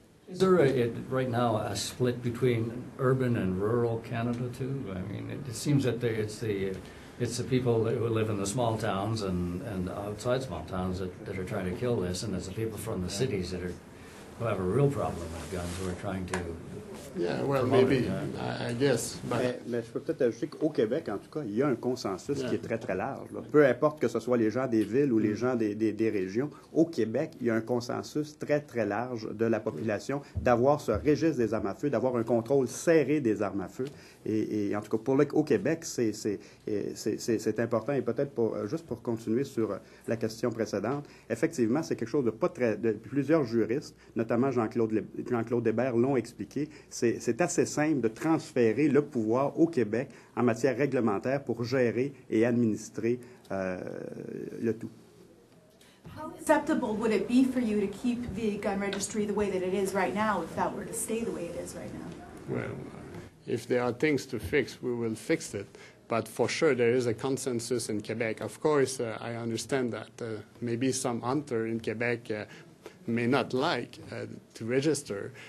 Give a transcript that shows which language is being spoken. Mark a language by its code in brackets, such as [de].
[en] Is there right now a split between urban and rural Canada too? I mean, it seems that it's the people who live in the small towns and outside small towns that are trying to kill this, and it's the people from the cities who have a real problem with guns who are trying to. Yeah, well, maybe, I guess, but [fr] je peux peut-être ajouter qu'au Québec, en tout cas, il y a un consensus qui est très, très large. Là. Peu importe que ce soit les gens des villes ou les gens des régions, au Québec, il y a un consensus très, très large de la population d'avoir ce registre des armes à feu, d'avoir un contrôle serré des armes à feu. Et en tout cas, au Québec, c'est important. Et peut-être pour continuer sur la question précédente, effectivement, c'est quelque chose de pas très... Plusieurs juristes, notamment Jean-Claude Hébert, l'ont expliqué. C'est assez simple de transférer le pouvoir au Québec en matière réglementaire pour gérer et administrer le tout. [en] How acceptable would it be for you to keep the gun registry the way that it is right now if that were to stay the way it is right now? Well, if there are things to fix, we will fix it. But for sure, there is a consensus in Quebec. Of course, I understand that maybe some hunter in Quebec may not like to register.